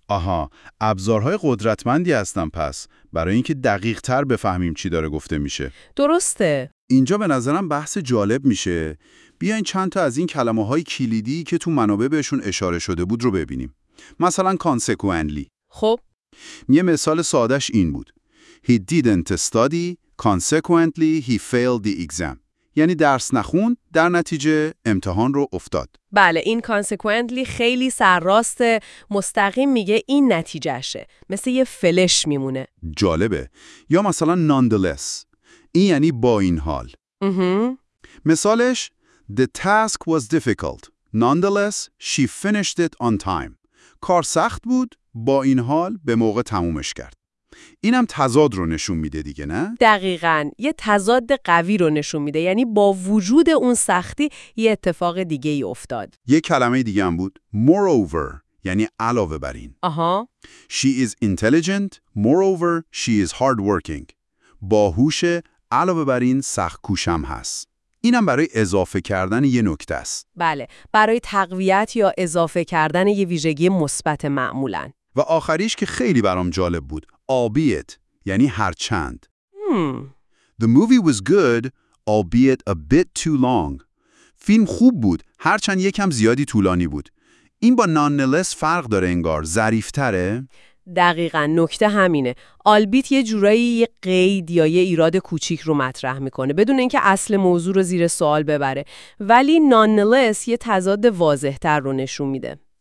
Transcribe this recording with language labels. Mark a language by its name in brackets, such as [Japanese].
[Persian] آها، ابزارهای قدرتمندی هستن پس، برای اینکه دقیق تر بفهمیم چی داره گفته میشه. درسته. اینجا به نظرم بحث جالب میشه. بیاین چند تا از این کلمه های کلیدی که تو منابع بهشون اشاره شده بود رو ببینیم. مثلا consequently. خب. یه مثال سادش این بود. [English] He didn't study, consequently he failed the exam. [Persian] یعنی درس نخوند، در نتیجه امتحان رو افتاد. بله، این consequently خیلی سرراست، مستقیم میگه این نتیجهشه. مثل یه فلش میمونه. جالبه. یا مثلا nonetheless. این یعنی با این حال. مثالش، [English] the task was difficult. Nonetheless, she finished it on time. [Persian] کار سخت بود، با این حال به موقع تمومش کرد. اینم تضاد رو نشون میده دیگه، نه؟ دقیقاً، یه تضاد قوی رو نشون میده، یعنی با وجود اون سختی یه اتفاق دیگه ای افتاد. یه کلمه دیگه هم بود، moreover، یعنی علاوه بر این. آها. [English] She is intelligent, moreover she is hard working. [Persian] باهوش، علاوه بر این سخت کوشم هست. اینم برای اضافه کردن یه نکته است. بله، برای تقویت یا اضافه کردن یه ویژگی مثبت معمولاً. و آخریش که خیلی برام جالب بود، albeit، یعنی هرچند. [English] The movie was good, albeit a bit too long. [Persian] فیلم خوب بود، هرچند یکم زیادی طولانی بود. این با nonetheless فرق داره انگار، ظریف‌تره؟ دقیقاً، نکته همینه. albeit یه جورایی یه قید یا یه ایراد کوچیک رو مطرح میکنه بدون اینکه اصل موضوع رو زیر سوال ببره. ولی nonetheless یه تضاد واضح‌تر رو نشون میده.